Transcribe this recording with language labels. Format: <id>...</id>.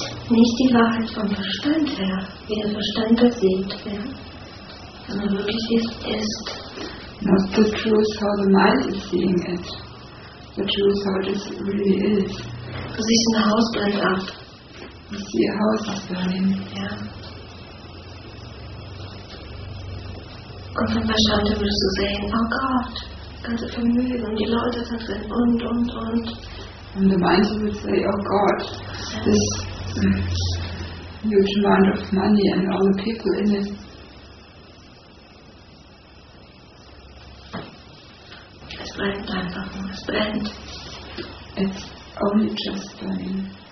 <de>Nicht die Wahrheit vom Verstand her, wie der Verstand das sieht, ja? Sondern wirklich ist.</de> <en>Not the truth, how the mind is seeing it. The truth, how it is really is.</en> <de>Du siehst ein Haus brennt ab.</de> <en>You see a house burning.</en> <de>Ja. Und vom Verstand her würdest du sehen, oh Gott, ganze Vermögen, die Leute da drin und.</de> <en>And the mind would say,</en> <de>oh Gott,</de> <en>this huge amount of money and all the people in it.</en> <de>Es brennt einfach nur, es brennt.</de> <en>It's only just burning.</en>